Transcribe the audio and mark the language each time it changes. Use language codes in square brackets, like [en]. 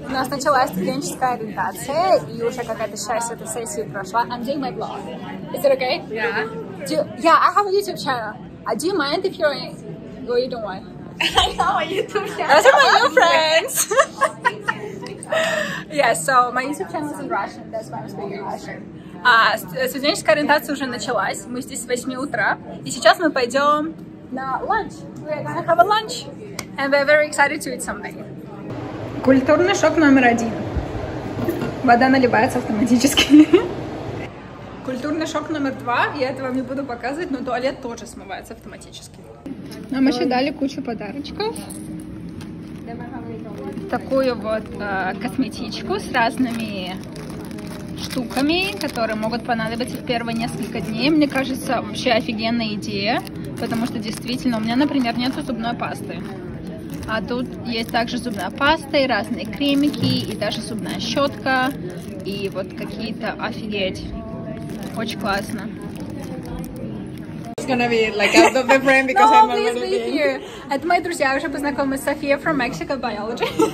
[ru] Началась студенческая ориентация, и уже какая-то часть этой сессии прошла. [en] I'm doing my vlog. Is it okay? Yeah. I have a YouTube channel. Do you mind if you're... Well, you don't mind. I have a YouTube channel. Those are my new friends. Yes, so my YouTube channel is in Russian. That's why I'm speaking Russian. [ru] Студенческая ориентация уже началась. Мы здесь с 8 утра. И сейчас мы пойдем на [en] lunch. We're gonna have a lunch. And we're very excited to eat something. [ru] Культурный шок номер один. Вода наливается автоматически. Культурный шок номер два. Я это вам не буду показывать, но туалет тоже смывается автоматически. Нам еще дали кучу подарочков. Такую вот косметичку с разными штуками, которые могут понадобиться в первые несколько дней. Мне кажется, вообще офигенная идея, потому что действительно у меня, например, нет зубной пасты. А тут есть также зубная паста и разные кремики, и даже зубная щетка, и вот какие-то офигеть. Очень классно. [en] It's gonna be like out of the frame because no, I'm a little bit... No, please leave here. [ru] Это мои друзья, я уже познакомилась с Софией [en] from Mexico Biology.